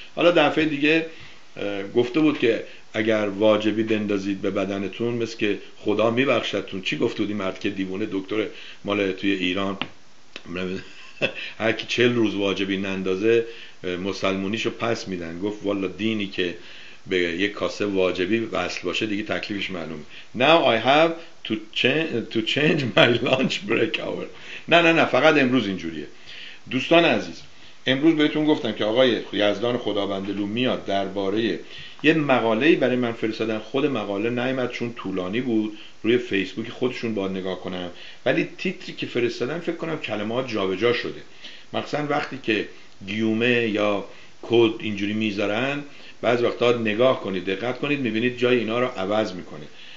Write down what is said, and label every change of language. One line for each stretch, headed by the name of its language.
Persian: حالا دفعه دیگه گفته بود که اگر واجبی بندازید به بدنتون، مثل که خدا میبخشدتون. چی گفته بودی مرد که دیوونه، دکتر مال توی ایران، هر کی 40 روز واجبی نندازه مسلمونیشو پس میدن. گفت والا دینی که به یه کاسه واجبی وصل باشه دیگه تکلیفش معلومه.
English: Now I have to change my lunch break hour.
Persian: نه، فقط امروز اینجوریه. دوستان عزیز، امروز بهتون گفتم که آقای یزدان خدابندلو میاد درباره یه مقاله‌ای برای من فرستادن. خود مقاله نیامد چون طولانی بود، روی فیسبوک خودشون باید نگاه کنم، ولی تیتری که فرستادن فکر کنم کلمات جابجا شده، مخصوصا وقتی که گیومه یا کد اینجوری میذارن، بعضی وقتا نگاه کنید، دقت کنید، میبینید جای اینا رو عوض میکنه.